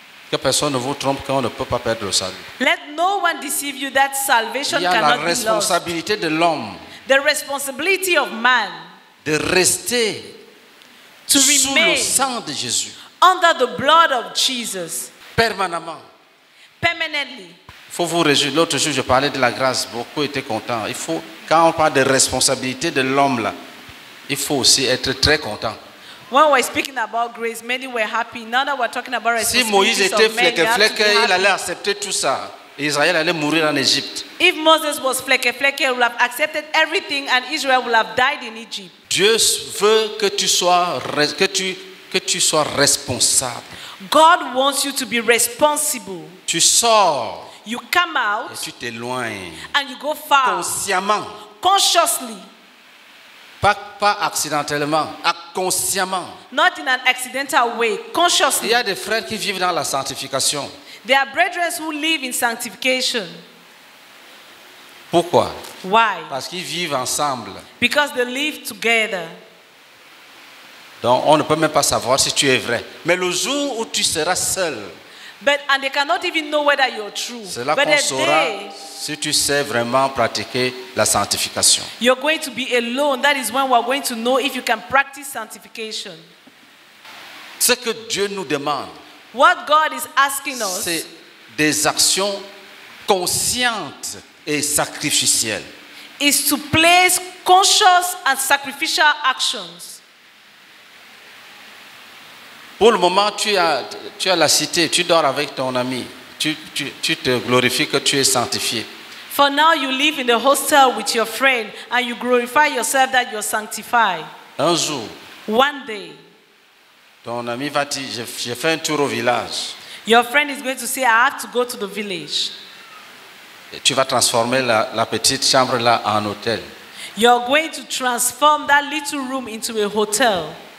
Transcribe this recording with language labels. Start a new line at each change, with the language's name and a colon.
French: Que personne ne vous trompe qu'on ne peut pas perdre le salut.
English: Let no one deceive you that salvation cannot be lost.
French: Il y a la responsabilité de l'homme.
English: The responsibility of man.
French: De rester
English: to
French: sous
English: remain
French: le sang de Jésus,
English: under the blood of Jesus,
French: permanemment,
English: permanently.
French: Il faut vous réjouir. L'autre jour, je parlais de la grâce. Beaucoup étaient contents. Il faut, quand on parle de responsabilité de l'homme là, il faut aussi être très content.
English: When we're speaking about grace, many were happy. Now that we're talking about responsibility,
French: si Moïse était fleke-fleke, il allait accepter tout ça. Israël allait mourir en Égypte.
English: If Moses was fleke-fleke, he would have accepted everything, and Israel would have died in Egypt.
French: Dieu veut que tu sois que tu sois responsable.
English: God wants you to be responsible.
French: Tu sors.
English: You come out.
French: Et tu t'éloignes.
English: And you go far.
French: Consciemment.
English: Consciously.
French: Pas accidentellement, consciemment.
English: Not in an accidental way, consciously.
French: Il y a des frères qui vivent dans la sanctification.
English: There are brethren who live in sanctification.
French: Pourquoi?
English: Why?
French: Parce qu'ils vivent ensemble.
English: Because they live together.
French: Donc on ne peut même pas savoir si tu es vrai. Mais le jour où tu seras seul,
English: but and they cannot even know whether you're true.
French: C'est là
English: but
French: qu'on saura si tu sais vraiment pratiquer la sanctification.
English: You're going to be alone. That is when we're going to know if you can practice sanctification.
French: Ce que Dieu nous demande,
English: what God is asking us,
French: c'est des actions conscientes et sacrificielles.
English: Is to place conscious and sacrificial actions.
French: Pour le moment, tu as la cité, tu dors avec ton ami, tu te glorifies que tu es sanctifié.
English: For now, you live in the hostel with your friend and you glorify yourself that you're sanctified.
French: Un jour,
English: one day,
French: ton ami va dire, j'ai fait un tour au village.
English: Your friend is going to say, I have to go to the village.
French: Et tu vas transformer la petite chambre là en hôtel.
English: You're going to transform that little room into a hotel.